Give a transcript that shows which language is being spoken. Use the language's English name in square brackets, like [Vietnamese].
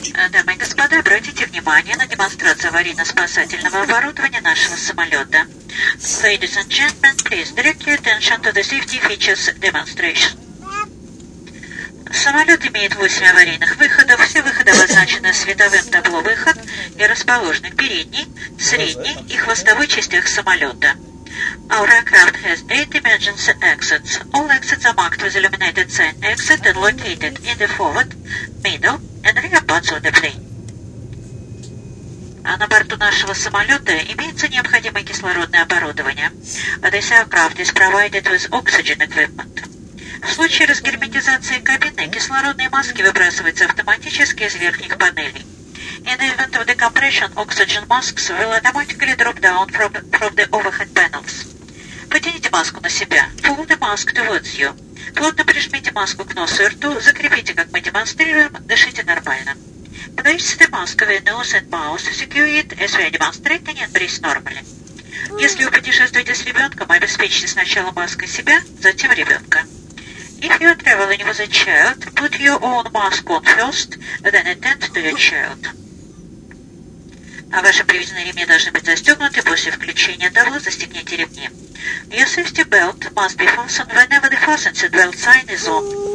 [Russian] Дамы и господа, обратите внимание на демонстрацию аварийно-спасательного оборудования нашего самолета. [English] Ladies and gentlemen, please direct your attention to the safety features demonstration. [Russian] Самолет имеет 8 аварийных выходов. Все выходы обозначены световым табло «Выход» и расположены в передней, средней и хвостовой частях самолета. [English] Our aircraft has 8 emergency exits. All exits are marked with illuminated sign exit and located in the forward, middle and rear parts of the plane. [Russian] А на борту нашего самолета имеется необходимое кислородное оборудование. [English] This aircraft is provided with oxygen equipment. [Russian] В случае разгерметизации кабины кислородные маски выбрасываются автоматически из верхних панелей. [English] In the event of decompression, oxygen masks will automatically drop down from the overhead panels. [Russian] Потяните маску на себя. [English] Pull the mask towards you. [Russian] Плотно прижмите маску к носу и рту. Закрепите, как мы демонстрируем. Дышите нормально. [English] Place the mask over nose and mouth. Secure it as we are demonstrating and breathe normally. [Russian] Если вы путешествуете с ребенком, обеспечьте сначала маской себя, затем ребенка. [English] If you are traveling with a child, put your own mask on first, then attend to your child. [Russian] А ваши привязанные ремни должны быть застегнуты после включения табло, застегните ремни. [English] Your safety belt must be fastened whenever the fasten seat belt sign is on.